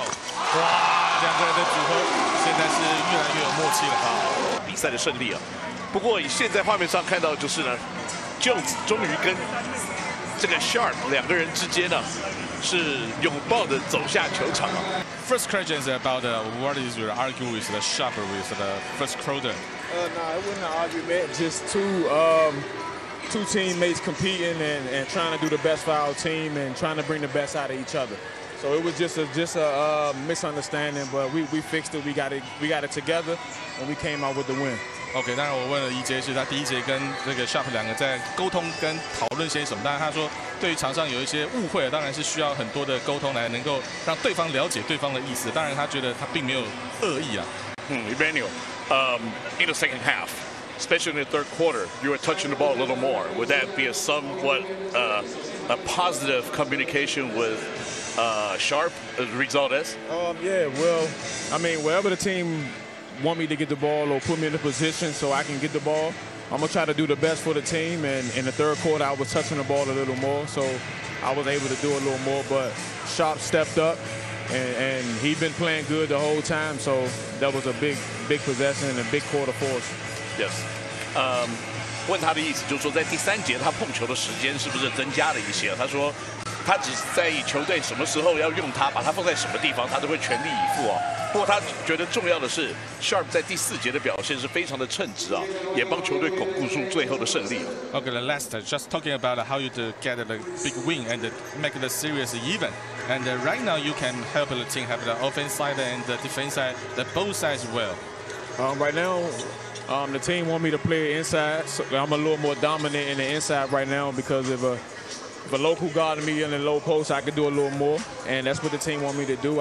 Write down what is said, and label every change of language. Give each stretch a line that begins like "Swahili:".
Chinese: 哇，两个人的组合现在是越来越有默契了啊！比赛的胜利啊！不过以现在画面上看到的就是呢 ，Jones 终于跟这个 Sharp 两个人之间呢是拥抱的走下球场了。
English: First question is about what is your argue with the Sharp with the first Crowder? No, it wasn't an argument, just two teammates competing and trying to do the best for our team and trying to bring the best out of each other. So it was just a misunderstanding, but we fixed it. We got it together and we came out with the win.
Chinese: Okay, 当然我问了 EJ 是他第一节跟那个 Sharp 两个在沟通跟讨论些什么，当然他说对于场上有一些误会，当然是需要很多的沟通来能够让对方了解对方的意思。当然他觉得他并没有恶意啊。
English: Emmanuel, in the second half. Especially in the third quarter, you were touching the ball a little more. Would that be a somewhat a positive communication with Sharp as the result is? Yeah, well, I mean, wherever the team want me to get the ball or put me in a position so I can get the ball, I'm going to try to do the best for the team. And in the third quarter, I was touching the ball a little more, so I was able to do a little more. But Sharp stepped up, and he'd been playing good the whole time, so that was a big, big possession and a big quarter for us.
Chinese: Yes， 问他的意思就是说，在第三节他碰球的时间是不是增加了一些？他说，他只在意球队什么时候要用他，把他放在什么地方，他都会全力以赴啊。不过他觉得重要的是 ，Sharp 在第四节的表现是非常的称职啊，也帮球队巩固住最后的胜利。
English: Okay, last just talking about how you get the big win and make the series even, and right now you can help the team have the offense side and the defense side, the both sides well. Right now. The team want me to play inside, so I'm a little more dominant in the inside right now because if a local guarding me in the low post, I could do a little more, and that's what the team want me to do.